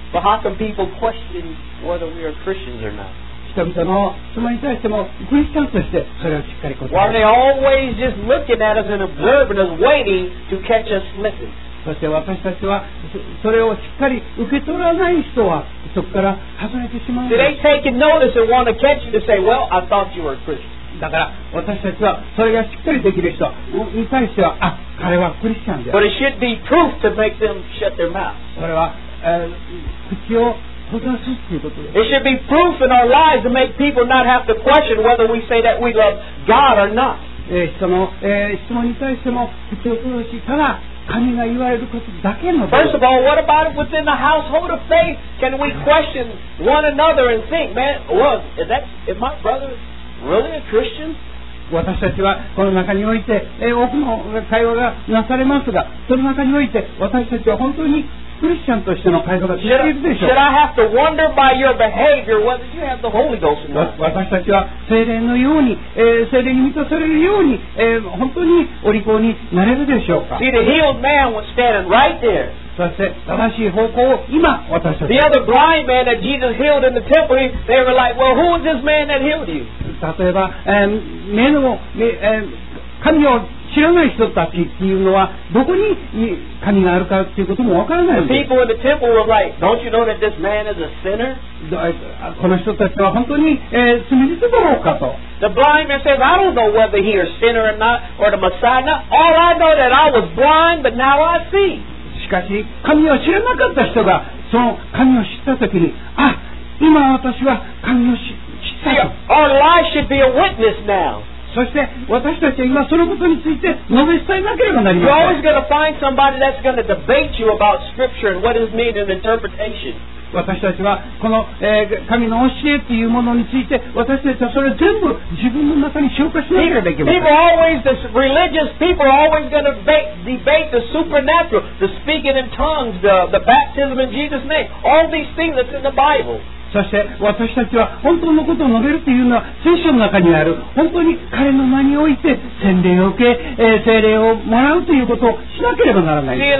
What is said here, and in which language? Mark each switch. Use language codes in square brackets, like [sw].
[en] But how come people question whether we are Christians or not? [ja] 人々の質問に対してもクリスチャンとしてそれをしっかり答える。 [en] Why are they always just looking at us and observing us, waiting to catch us slipping? [ja] そして私たちはそれをしっかり受け取らない人はそこから外れてしまうんです。 [en] They take notice and want to catch you to say, well, I thought you were a Christian. [ja] だから私たちはそれがしっかりできる人に対しては、あ、彼はクリスチャンです。 [en] But it should be proof to make them shut their mouth. [ja] それは、口を閉ざすということです。 [en] It should be proof in our lives to make people not have to question whether we say that we love God or not. [ja] 人の、質問に対しても口を閉ざし、ただ神が言われることだけの。 [en] First of all, what about within the household of faith? Can we question one another and think, man, well, is my brother really a Christian? [ja] 私たちはこの中において多くの会話がなされますが、その中において私たちは本当にクリスチャンとしての会話ができるでしょう。 [en] Should I have to wonder by your behavior whether you have the Holy Ghost? [ja] 私たちは聖霊のように、聖霊に満たされるように、本当にお利口になれるでしょうか。 [en] See, the healed man was standing right there. [ja] そして正しい方向を今私たち。 [en] The other blind man that Jesus healed in the temple, they were like, well, who is this man that healed you? [ja] 例えば、目の、神を知らない人たちっていうのはどこに神があるかっていうこともわからないんです。 [en] The people in the temple were like, "Don't you know that this man is a sinner?" [ja] この人たちは本当に、罪人だろうかと。 [en] The blind man says, "I don't know whether he is sinner or not, or the Messiah. All I know that I was blind, but now I see." [ja] しかし神を知らなかった人がその神を知ったときに、あ、今私は神を知ったと。 [en] Our life should be a witness now. [ja] そして私たちは今そのことについて述べ伝えなければなりません。 [en] You're always going to find somebody that's going to debate you about scripture and what is meaning and interpretation. [ja] 私たちはこの、神の教えというものについて私たちはそれを全部自分の中に消化しなければできません。 [en] People always, the religious people are always going to debate the supernatural, the speaking in tongues, the baptism in Jesus' name, all these things that's in the Bible. [ja] そして私たちは本当のことを述べるというのは聖書の中にある本当に彼の名において洗礼を受け、聖霊をもらうということをしなければならない。